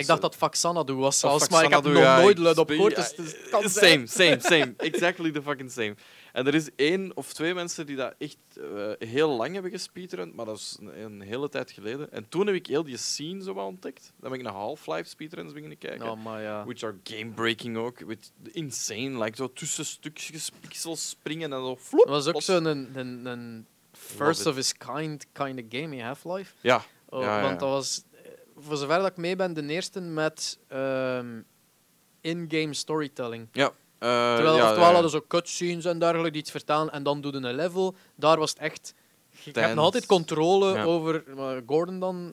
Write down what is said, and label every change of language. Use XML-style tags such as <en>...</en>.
<nl>Ik dacht dat Faxanadu was, maar ik heb nog nooit luid op gehoord. Dus</nl> <en>same. Exactly the fucking same.</en> <nl>En er is 1 of 2 mensen die dat echt heel lang hebben gespeedrun, maar dat is een hele tijd geleden. En toen heb ik heel die scene zo wel ontdekt. Dan ben ik naar Half-Life speedruns beginnen kijken. Oh, maar ja.</nl> <en>Which are game-breaking</en> <nl>ook.</nl> <en>With insane, like</en> <nl>zo tussen stukjes pixels springen en zo floep. Dat was ook zo'n</nl> <en>first of his kind of game</en> <nl>in Half-Life. Ja. Want dat was, voor zover dat ik mee ben, de eerste met in-game storytelling. Ja. Terwijl hadden ze cutscenes en dergelijke die iets vertalen en dan doen een level. Daar was het echt. Je hebt nog altijd controle over Gordon dan.</nl>